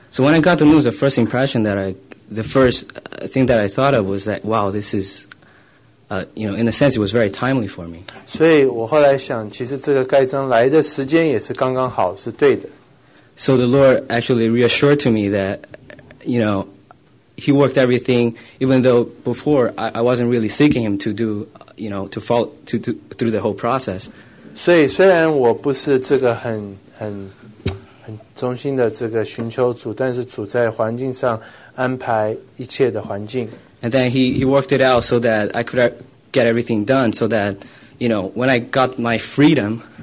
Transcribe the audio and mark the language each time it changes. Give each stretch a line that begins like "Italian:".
English: So when I got the news, the first thing that I thought of was that, wow, this is, you know, in a sense, it was very timely for me.
Chinese: 所以我后来想，其实这个盖章来的时间也是刚刚好，是对的。
English: So the Lord actually reassured to me that, you know, He worked everything, even though before I wasn't really seeking Him to do, you know, to follow to through the whole process.
Chinese: 所以虽然我不是这个很忠心的这个寻求主，但是主在环境上安排一切的环境。
English: And then He worked it out so that I could get everything done, so that you know when I got my freedom.